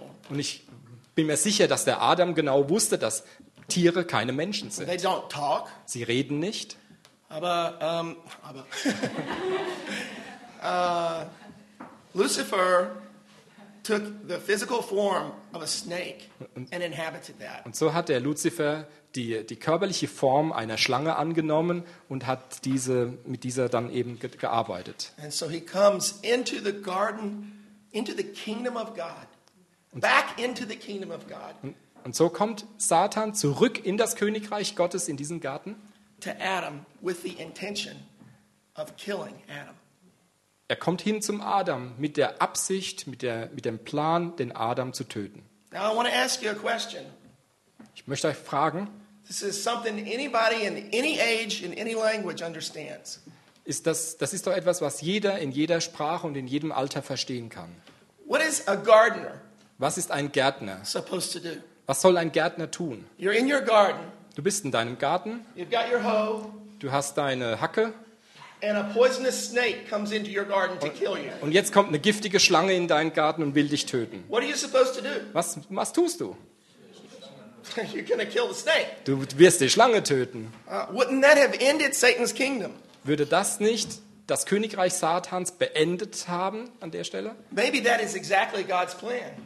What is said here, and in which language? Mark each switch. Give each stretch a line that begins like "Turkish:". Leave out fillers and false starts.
German: Und ich bin mir sicher, dass der Adam genau wusste, dass Tiere keine Menschen sind.
English: They don't talk.
German: Sie reden nicht. Aber
English: Lucifer took the physical form of a snake and inhabited that.
German: Und so hat der Lucifer die körperliche Form einer Schlange angenommen und hat diese mit dieser dann eben gearbeitet.
English: And so he comes into the garden, into the kingdom of God, back into the kingdom of God.
German: Und so kommt Satan zurück in das Königreich Gottes, in diesen Garten.
English: To Adam with the intention of killing Adam.
German: Er kommt hin zum Adam mit der Absicht, mit dem Plan, den Adam zu töten.
English: Now I want to ask you a question.
German: Ich möchte euch fragen.
English: This is something anybody in any age in any language understands.
German: Ist das, das ist doch etwas, was jeder in jeder Sprache und in jedem Alter verstehen kann.
English: What is a gardener?
German: Was ist ein Gärtner?
English: Supposed to do?
German: Was soll ein Gärtner tun?
English: You're in your garden.
German: Du bist in deinem Garten.
English: You've got your hoe.
German: Du hast deine Hacke.
English: And a poisonous snake comes into your garden to kill you.
German: Und jetzt kommt eine giftige Schlange in deinen Garten und will dich töten.
English: What are you supposed to do?
German: Was tust du?
English: You're gonna kill the snake.
German: Du wirst die Schlange töten.
English: Wouldn't that have ended Satan's kingdom?
German: Würde das nicht das Königreich Satans beendet haben an der Stelle?
English: Maybe that is exactly God's plan.